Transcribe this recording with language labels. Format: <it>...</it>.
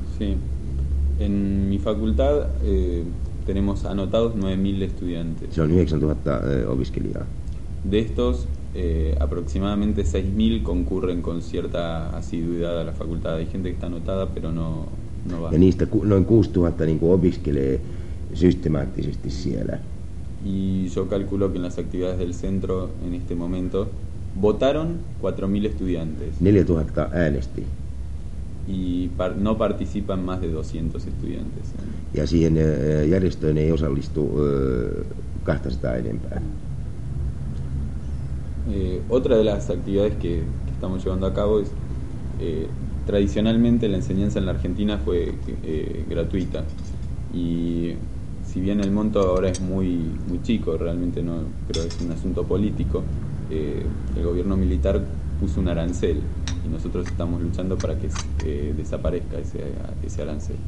<es>Sí, en mi facultad tenemos anotados 9.000 estudiantes.</es> <fi>Se on 9.000 opiskelijaa.</fi> <es>De estos, aproximadamente 6.000 concurren con cierta asiduidad a la facultad. Hay gente que está anotada, pero no va.</es> <fi>Ja niistä noin 6.000 niin kuin opiskelee systemaattisesti siellä.</fi> <es>Y yo calculo que en las actividades del centro en este momento votaron 4.000 estudiantes.</es> <fi>4.000 äänesti.</fi> <es>Y no participan más de 200 estudiantes.</es> <fi>Ja siihen järjestöön ei osallistu 200 enempää.</fi> <es>Otra de las actividades que estamos llevando a cabo es tradicionalmente la enseñanza en la Argentina fue gratuita, y si bien el monto ahora es muy muy chico, realmente no creo que es un asunto político, el gobierno militar puso un arancel y nosotros estamos luchando para que desaparezca ese arancel.</es>